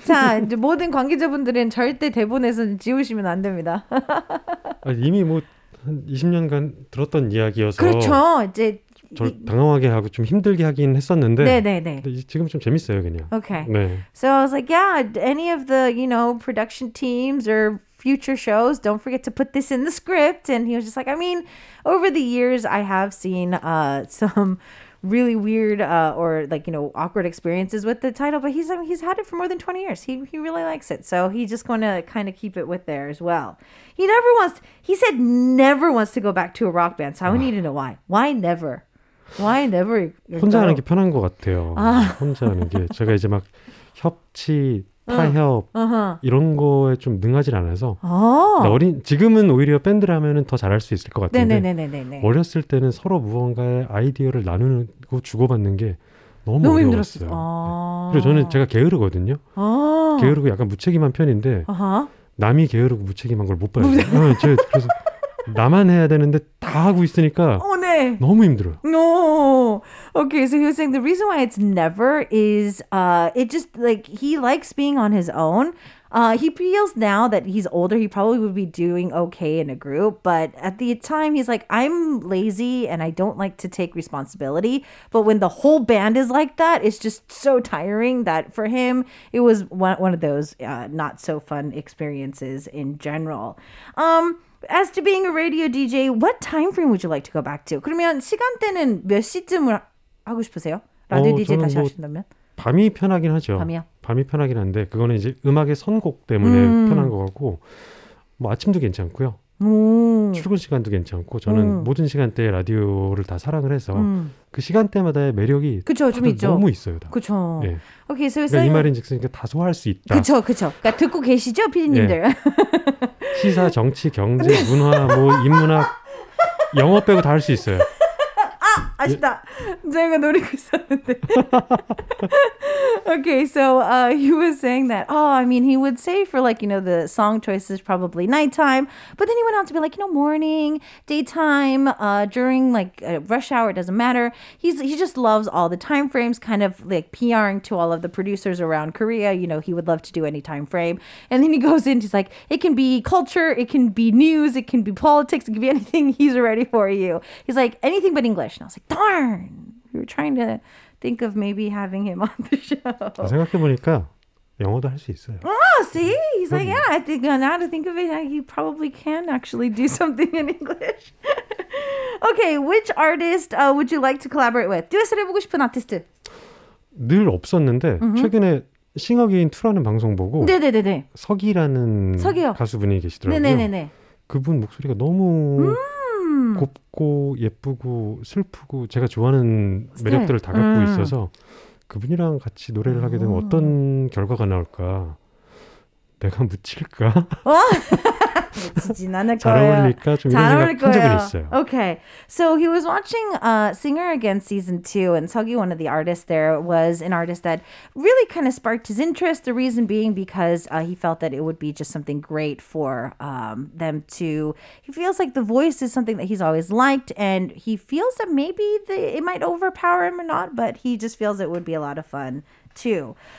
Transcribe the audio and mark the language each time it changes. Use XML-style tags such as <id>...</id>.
<ko>자, 이제 모든 관계자분들은 절대 대본에서는 지우시면 안 됩니다. 이미 뭐 한 20년간 들었던 이야기여서. 그렇죠. 이제. 저 당황하게 하고 좀 힘들게 하긴 했었는데 네네네. 지금 좀 재밌어요 그냥</ko> <en>okay.</en> <ko>네.</ko> <en>So I was like yeah any of the you know production teams or future shows don't forget to put this in the script and he was just like I mean over the years I have seen some really weird or like you know awkward experiences with the title but he's I mean, he's had it for more than 20 years he really likes it so he's just going to kind of keep it with there as well he never wants he said never wants to go back to a rock band so I need to know why never Why never?</en> <ko>혼자 하는 게 편한 것 같아요. 아. 혼자 하는 게 제가 이제 막 협치, 타협 이런 거에 좀 능하질 않아서 지금은 오히려 밴드라면은 더 잘할 수 있을 것 같은데 네네네네네. 어렸을 때는 서로 무언가의 아이디어를 나누고 주고받는 게 너무 힘들었어요. 아. 네. 그리고 저는 제가 게으르거든요. 아. 게으르고 약간 무책임한 편인데 아하. 남이 게으르고 무책임한 걸 못 봐요. 그래서 나만 해야 되는데 다 하고 있으니까 네. 너무 힘들어요.</ko> <en>No. Okay, so he was saying the reason why it's never is it just like he likes being on his own. He feels now that he's older, he probably would be doing okay in a group. But at the time, he's like, I'm lazy and I don't like to take responsibility. But when the whole band is like that, it's just so tiring that for him, it was one of those not so fun experiences in general. As to being a radio DJ, what time frame would you like to go back to?</en> <ko>그러면 시간대는 몇 시쯤을 하고 싶으세요? 라디오 DJ 다시 뭐 하신다면? 밤이 편하긴 하죠. 밤이요? 밤이 편하긴 한데 그거는 이제 음악의 선곡 때문에 편한 것 같고 뭐 아침도 괜찮고요. 출근 시간도 괜찮고 저는 모든 시간대에 라디오를 다 사랑을 해서 그 시간대마다의 매력이 그쵸, 좀 있죠. 너무 있어요. 그렇죠. 네.</ko> <en>Okay, so 그러니까</en> <ko>saying... 이 말인 즉슨 다 소화할 수 있다. 그렇죠. 그러니까 듣고 계시죠? 피디님들. 네. 시사, 정치, 경제, 문화, 뭐 인문학, 영어 빼고 다 할 수 있어요. 아, 아쉽다. 제가 노리고 있었는데.</ko> <en>Okay, so he was saying that, oh, I mean, he would say for like, you know, the song choices, probably nighttime. But then he went on to be like, you know, morning, daytime, during like rush hour, it doesn't matter. He just loves all the time frames, kind of like PRing to all of the producers around Korea. You know, he would love to do any time frame. And then he goes in, he's like, it can be culture, it can be news, it can be politics, it can be anything. He's ready for you. He's like, anything but English. And I was like, darn, we were trying to... Think of maybe having him on the show.</en> <ko>생각해보니까 영어도 할 수 있어요.</ko> <en>Oh, see? He's like, yeah, I think now to think of it, he probably can actually do something in English. Okay, which artist would you like to collaborate with?</en> <ko>듀엣을 해보고 싶은 아티스트. 늘 없었는데 최근에 싱어게인2라는 방송 보고 네네네네. 석이라는 석이요. 가수분이 계시더라고요. 네네네네. 그분 목소리가 너무... 곱고 예쁘고 슬프고 제가 좋아하는 스타일. 매력들을 다 갖고 있어서 그분이랑 같이 노래를 하게 되면 어떤 결과가 나올까? 내가 묻힐까? 미치진 않을 잘 거예요. 잘 어울릴까? 좀 잘 이런 생각 한 적은 있어요.</ko> <en>Okay. So he was watching Singer Again Season 2 and Seogi, one of the artists there, was an artist that really kind of sparked his interest. The reason being because he felt that it would be just something great for them to... He feels like the voice is something that he's always liked and he feels that maybe it might overpower him or not, but he just feels it would be a lot of fun. Too.</en>